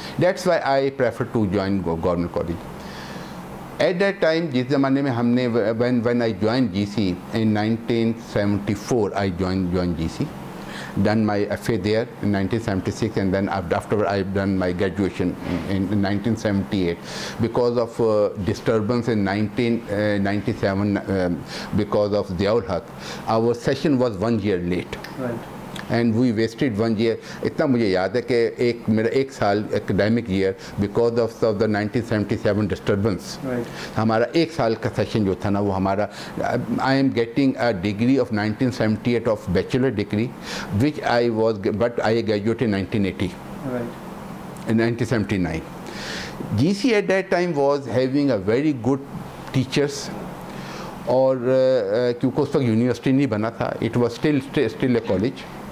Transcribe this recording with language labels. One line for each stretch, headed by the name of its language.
English: That's why I prefer to join government college. At that time,
Hindi: जिस ज़माने में हमने
English: when I joined GC in 1974, I joined GC, done my FA there in 1976, and then afterward I've done my graduation in 1978. Because of disturbance in 1997, because of Ziaul Haq, our session was 1 year late. Right. And we wasted 1 year.
Hindi: इतना मुझे याद है कि एक मेरा एक साल
English: academic year because of the 1977 disturbance. Right.
Hindi: हमारा एक साल का session जो था ना वो हमारा
English: I am getting a degree of 1978 of bachelor degree, which I was but I graduated in 1980. Right. In 1979, GC at that time was having a very good teachers.
Hindi: और क्योंकि उस वक्त यूनिवर्सिटी नहीं बना था,
English: It was still a college.